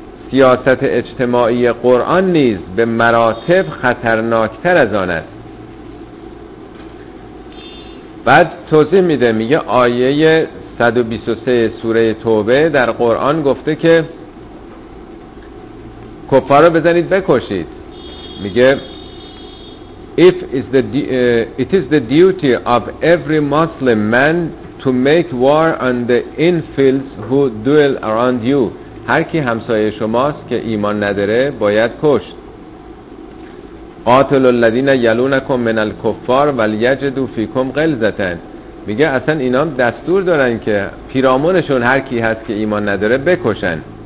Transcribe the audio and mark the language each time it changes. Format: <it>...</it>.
<fa>سیاست اجتماعی قرآن نیز به مراتب خطرناکتر از آن است. بعد توضیح میده، میگه آیه 123 سوره توبه در قرآن گفته که کفار رو بزنید بکشید. میگه</fa> <en>It is the duty of every Muslim man to make war on the infidels who dwell around you.</en> <fa>هر کی همسایه شماست که ایمان نداره باید کشت.</fa> <ar>قاتل الذین یلونکم من الکفار ولیجدوا فیکم غلظة.</ar> <fa>میگه اصلا اینا دستور دارن که پیرامونشون هر کی هست که ایمان نداره بکشن.</fa>